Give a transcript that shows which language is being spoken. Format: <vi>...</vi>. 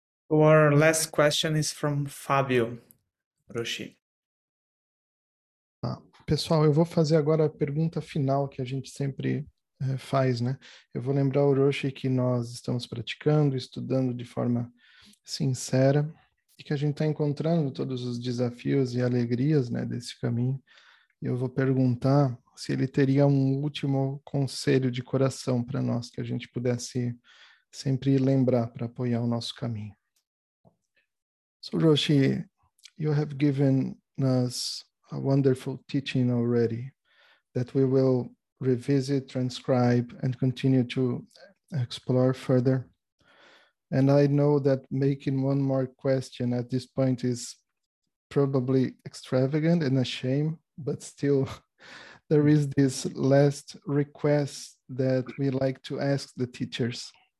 <en>Our last question is from Fabio Roshi.</en> <pt>Pessoal, eu vou fazer agora a pergunta final que a gente sempre... faz, né? Eu vou lembrar o Roshi que nós estamos praticando, estudando de forma sincera e que a gente está encontrando todos os desafios e alegrias, né, desse caminho. E eu vou perguntar se ele teria um último conselho de coração para nós que a gente pudesse sempre lembrar para apoiar o nosso caminho.</pt> <en>So, Roshi, you have given us a wonderful teaching already that we will revisit, transcribe, and continue to explore further. And I know that making one more question at this point is probably extravagant and a shame, but still there is this last request that we like to ask the teachers.</en>